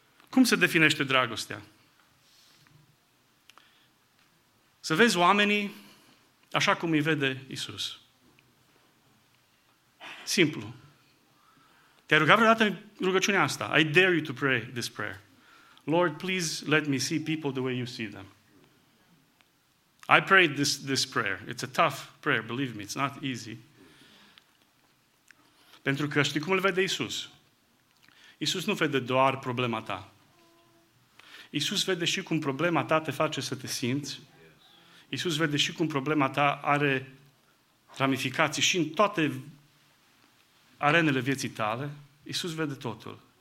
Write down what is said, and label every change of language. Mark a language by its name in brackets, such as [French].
[Romanian] Cum se definește dragostea? Să vezi oamenii așa cum îi vede Iisus. Simplu. Te-ai rugat vreodată rugăciunea asta? [English] I dare you to pray this prayer. Lord, please let me see people the way you see them. I prayed this prayer. It's a tough prayer, believe me. It's not easy. [Romanian] Pentru că știi cum îl vede Iisus? Iisus nu vede doar problema ta. Iisus vede și cum problema ta te face să te simți. Iisus vede și cum problema ta are ramificații și în toate arenele vieții tale. Iisus vede totul.